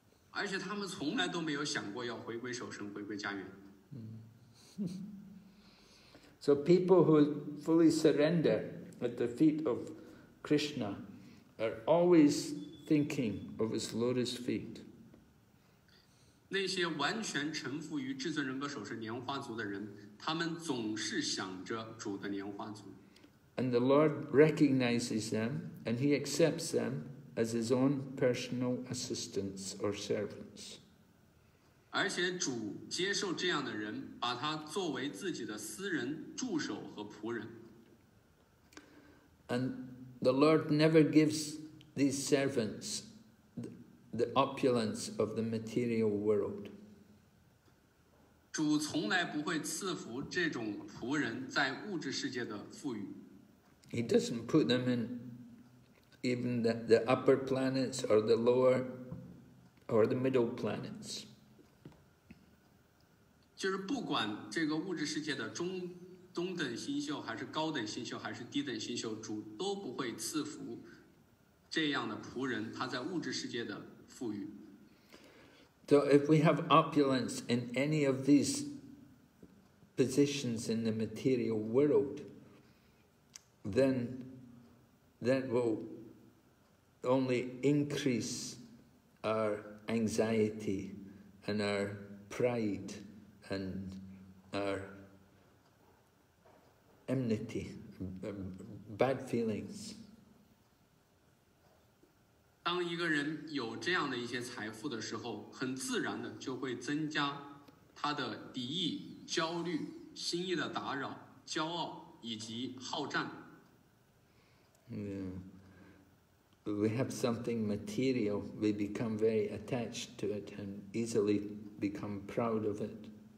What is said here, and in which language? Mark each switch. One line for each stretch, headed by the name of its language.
Chinese: 而且他们从来都没有想过要回归守神，回归家园。
English: So people who fully surrender at the feet of Krishna are always thinking of his lotus feet.
Chinese: 那些完全臣服于至尊仁波首饰莲花足的人，他们总是想着主的莲花足。
English: And the Lord recognizes them, and he accepts them as his own personal assistants or servants.
Chinese: 而且主接受这样的人，把他作为自己的私人助手和仆人。
English: And the Lord never gives these servants the opulence of the material world.
Chinese: 主从来不会赐福这种仆人在物质世界的富裕。
English: He doesn't put them in even the upper planets or the lower or the middle planets.
Chinese: 就是不管这个物质世界的中等星宿还是高等星宿还是低等星宿，主都不会赐福这样的仆人他在物质世界的富裕。
English: So if we have opulence in any of these positions in the material world, then that will only increase our anxiety and our pride and our enmity, bad feelings.
Chinese: 当一个人有这样的一些财富的时候，很自然的就会增加他的敌意、焦虑、心意的打扰、骄傲以及好战。
English: Yeah. We have something material, we become very attached to it and easily become proud of it.